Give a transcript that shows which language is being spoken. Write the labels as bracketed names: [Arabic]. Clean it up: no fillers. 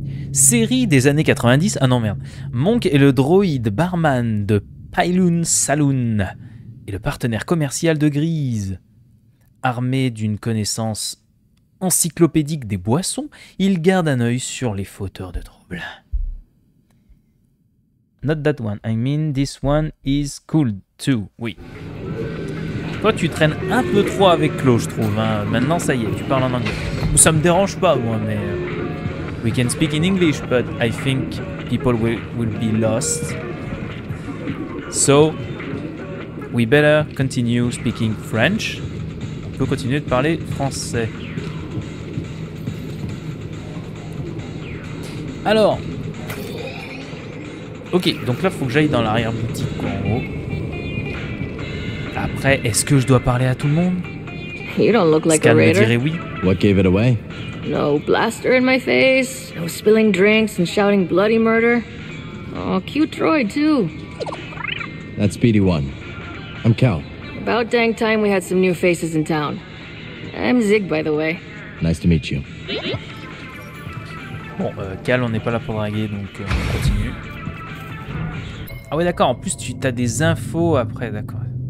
[French] Série des années 90, ah non merde, Monk est le droïde barman de Pailun Saloon et le partenaire commercial de Grise. Armé d'une connaissance encyclopédique des boissons, il garde un œil sur les fauteurs de troubles. [English] Not that one, I mean this one is cool too, oui. [French] Toi tu traînes un peu trop avec Claude, je trouve, hein. Maintenant ça y est, tu parles en anglais. Ça me dérange pas moi, mais... [English] We can speak in English, but I think people will be lost. So, we better continue speaking French. [French] On peut continuer de parler français. Alors, ok, donc là, faut que j'aille dans l'arrière-boutique en haut. Après, est-ce que je dois parler à tout le monde? [English] You don't look like a raider. [French] Scan me dirait oui. [English] What gave it away? No blaster in my face, no spilling drinks and shouting bloody murder. Oh, cute droid too. That's BD1. I'm Cal. About dang time we had some new faces in town. I'm Zig, by the way. Nice to meet you. [French] Bon, Cal, on n'est pas là pour draguer, donc on continue. Ah ouais, d'accord, en plus tu as des infos après, d'accord.